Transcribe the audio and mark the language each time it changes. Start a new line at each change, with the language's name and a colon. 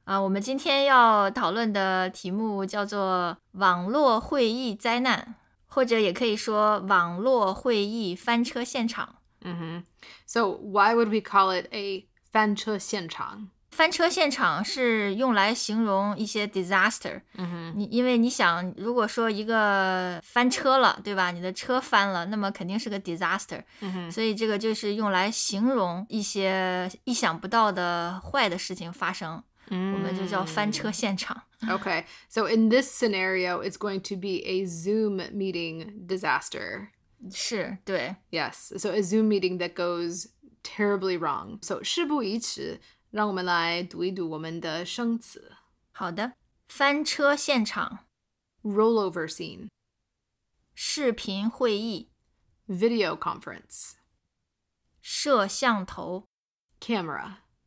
Chinese: 我们今天要讨论的题目叫做网络会议灾难，或者也可以说网络会议翻车现场。
English: So why would we call it a
Chinese: 翻车现场？翻车现场是用来形容一些 disaster。因为你想，如果说一个翻车了，对吧？你的车翻了，那么肯定是个 disaster。所以这个就是用来形容一些意想不到的坏的事情发生。我们就叫翻车现场。
English: Okay, so in this scenario, it's going to be a Zoom meeting disaster.
Chinese: 是，对。
English: Yes, so a Zoom meeting that goes terribly wrong. So
Chinese: 事不宜迟。让我们来读一读我们的生词。好的，翻车现场
English: ，rollover scene，
Chinese: 视频会议
English: ，video conference，
Chinese: 摄像头
English: ，camera，